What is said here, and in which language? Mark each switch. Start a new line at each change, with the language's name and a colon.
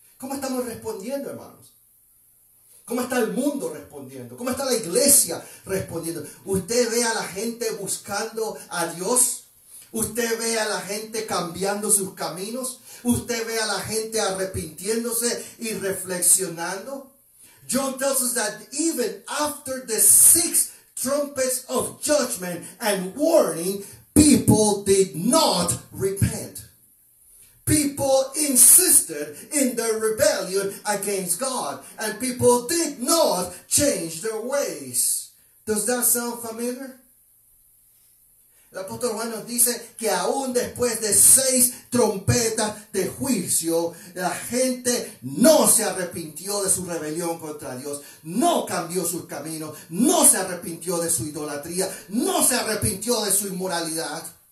Spanish: ¿Cómo estamos respondiendo, hermanos? ¿Cómo está el mundo respondiendo? ¿Cómo está la iglesia respondiendo? ¿Usted ve a la gente buscando a Dios? ¿Usted ve a la gente cambiando sus caminos? ¿Usted ve a la gente arrepintiéndose y reflexionando?
English: John tells us that even after the 6 trumpets of judgment and warning, people did not repent. People insisted in their rebellion against God, and people did not change their ways. Does that sound familiar?
Spanish: El apóstol Juan nos dice que aún después de 6 trompetas de juicio, la gente no se arrepintió de su rebelión contra Dios, no cambió sus caminos, no se arrepintió de su idolatría, no se arrepintió de su inmoralidad.